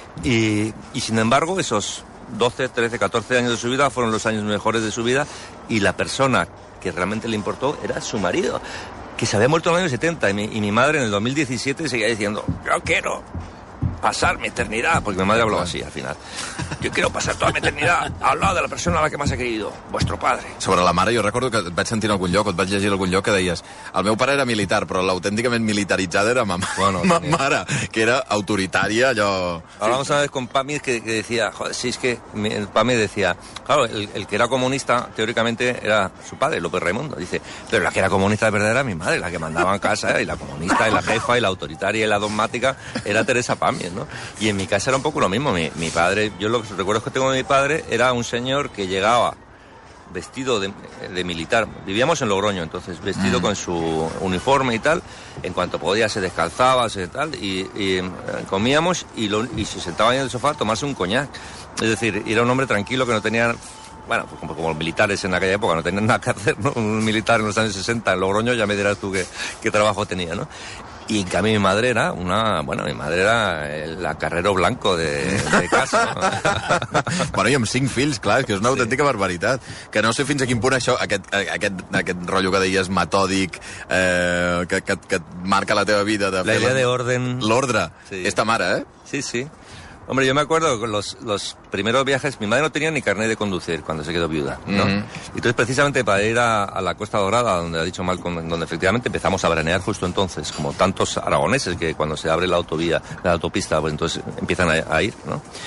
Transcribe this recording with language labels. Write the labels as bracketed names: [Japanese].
[Spanish] Y sin embargo, esos 12, 13, 14 años de su vida fueron los años mejores de su vida y la persona que realmente le importó era su marido, que se había muerto en el año 70 y mi madre en el 2017 seguía diciendo, yo quiero pasar mi eternidad, porque mi madre hablaba así al final. Yo quiero pasar toda mi eternidad al lado de la persona a la que más he querido, vuestro padre. [Catalan] Sobre la mare, jo recordo que et vaig sentir en algun lloc, o et vaig llegir en algun lloc, que deies, el meu pare era militar, però l'autènticament militaritzada era ma mare, que era autoritària, allò... [Spanish] Hablamos una vez con Pami, que decía, joder, si es que Pami decía, claro, el que era comunista, teóricamente, era su padre, López Raimundo, dice, pero la que era comunista de verdad era mi madre, la que mandaba en casa, y la comunista, y la jefa, y la autoritaria, y la dogmática, era Teresa Pami, ¿no? Y en mi casa era un poco lo mismo, mi padre, yo lo que recuerdo que tengo de mi padre era un señor que llegaba vestido de militar. Vivíamos en Logroño, entonces vestido con su uniforme y tal. En cuanto podía se descalzaba, se tal, y comíamos y se sentaba en el sofá a tomarse un coñac. Es decir, era un hombre tranquilo que no tenía, bueno, pues como militares en aquella época, no tenían nada que hacer, ¿no? Un militar en los años 60 en Logroño, ya me dirás tú qué trabajo tenía, ¿no? Y en cambio mi madre era la carrero blanco de casa. [Catalan] Bueno, i amb 5 fills, clar, que és una autèntica barbaritat. Que no sé fins a quin punt això, aquest rotllo que deies metòdic, que marca la teva vida. [Spanish] De la idea de orden. [Catalan] L'ordre. Sí. Esta mare, eh? Sí, sí. [Spanish] Hombre, yo me acuerdo que los primeros viajes, mi madre no tenía ni carnet de conducir cuando se quedó viuda, ¿no? Uh-huh. Entonces, precisamente para ir a la Costa Dorada, donde ha dicho Malcolm, donde efectivamente empezamos a veranear justo entonces, como tantos aragoneses que cuando se abre la autopista, pues entonces empiezan a ir, ¿no?